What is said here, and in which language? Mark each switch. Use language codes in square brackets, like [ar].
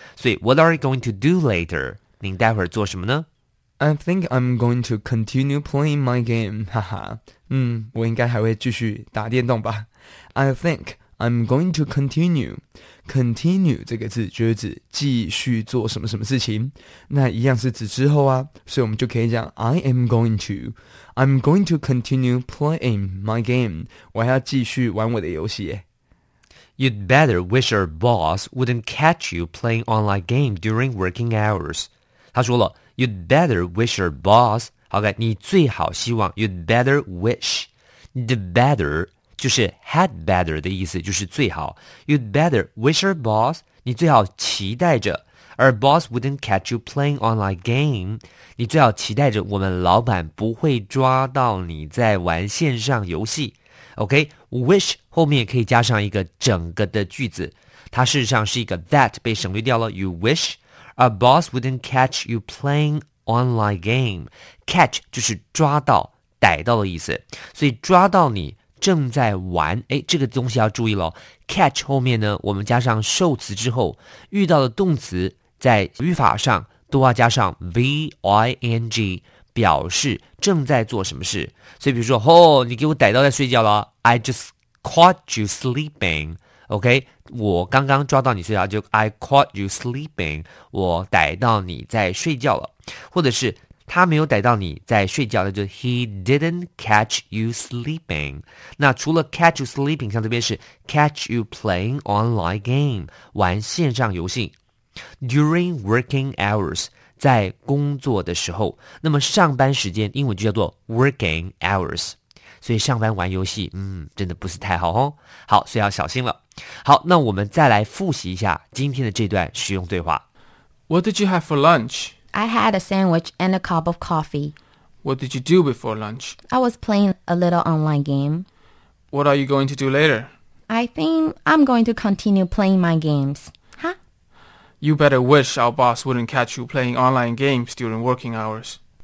[en] 所以 what are you going to do later? [zh] 您待会儿做什么呢？ [en] I think I'm going to continue playing my game. [zh] 哈哈，我应该还会继续打电动吧。 I thinkI'm going to continue. Continue 这个字就是指继续做什么什么事情，那一样是指之后啊，所以我们就可以讲 I'm going to continue playing my game. 我还要继续玩我的游戏耶。 [en] You'd better wish your boss wouldn't catch you playing online game during working hours. 他说了， You'd better wish your boss. Okay, 你最好希望 You'd better wish. [zh] The better 就是 had better 的意思，就是最好。 [en] You'd better wish your boss. 你最好期待着 Our boss wouldn't catch you playing online game. [zh] 你最好期待着我们老板不会抓到你在玩线上游戏。 OK, wish 后面可以加上一个整个的句子，它事实上是一个 that 被省略掉了。 [en] You wish our boss wouldn't catch you playing online game. [zh] Catch 就是抓到、逮到的意思，所以抓到你正在玩，哎，这个东西要注意了。 Catch 后面呢，我们加上受词之后，遇到的动词在语法上都要加上 ving。表示正在做什么事，所以比如说，哦，你给我逮到在睡觉了 ， I just caught you sleeping. OK, 我刚刚抓到你睡觉，就 I caught you sleeping. 我逮到你在睡觉了，或者是他没有逮到你在睡觉，那就 He didn't catch you sleeping. [en] 那除了 catch you sleeping, 像这边是 catch you playing online game, 玩线上游戏 during working hours. [zh] 在工作的时候，那么上班时间英文就叫做 working hours， 所以上班玩游戏，嗯，真的不是太好哦。好，所以要小心了。好，那我们再来复习一下今天的这段实用对话。 [en] What did you have for lunch? I had a sandwich and a cup of coffee. What did you do before lunch? I was playing a little online game. What are you going to do later? I think I'm going to continue playing my games. You better wish our boss wouldn't catch you playing online games during working hours.